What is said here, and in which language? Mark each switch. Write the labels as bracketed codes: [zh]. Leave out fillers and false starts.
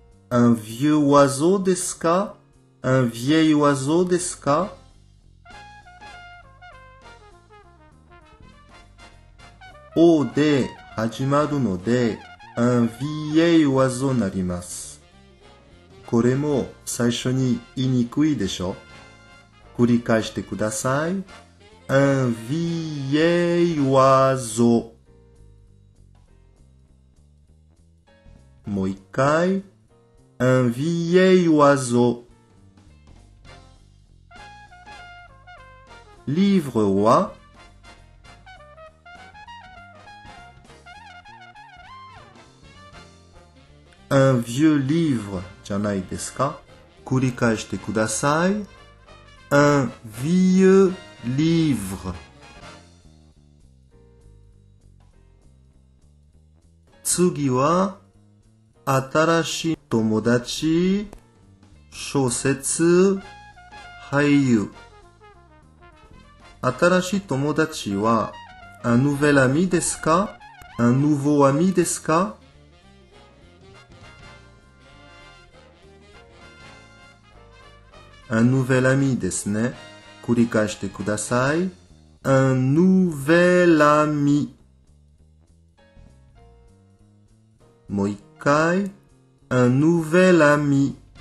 [fr] Un vieux oiseau [ja] ですか? [fr] Un vieil oiseau ですか? [ja] O で始まるので [fr] Un vieil oiseau [ja] になります。これも最初に言いにくいでしょ。繰り返してください。 [fr] Un vieil oiseau。 [ja] もう一回。 [fr] Un vieil oiseau。 [ja] Livre は [fr] Un vieux livre [ja] じゃないですか。繰り返してください。 [fr] Un vieux livre。 [ja] 次は新しい友達、小説、俳優。新しい友達は [fr] Un nouvel ami [ja] ですか? [fr] Un nouveau ami [ja] ですか? [fr] Un nouvel ami [ja] ですね。繰り返してください。 [fr] Un nouvel ami。 [ja] もう一回。 [fr] Un nouvel ami。